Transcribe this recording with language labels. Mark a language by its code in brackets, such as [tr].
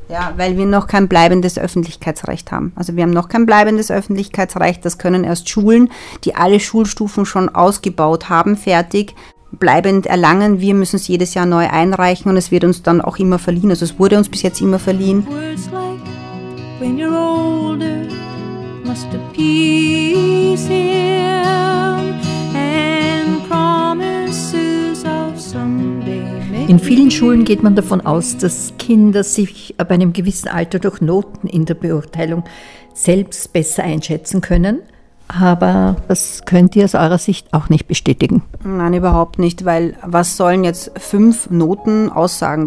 [de] Ja, weil wir noch kein bleibendes Öffentlichkeitsrecht haben. Also wir haben noch kein bleibendes Öffentlichkeitsrecht. Das können erst Schulen, die alle Schulstufen schon ausgebaut haben, fertig bleibend erlangen. Wir müssen es jedes Jahr neu einreichen und es wird uns dann auch immer verliehen. Also es wurde uns bis jetzt immer verliehen. [en] When you're older, must appease him and promises of someday. [de] In vielen Schulen geht man davon aus, dass Kinder sich ab einem gewissen Alter durch Noten in der Beurteilung selbst besser einschätzen können. Aber das könnt ihr aus eurer Sicht auch nicht bestätigen. Nein, überhaupt nicht, weil was sollen jetzt 5 Noten aussagen?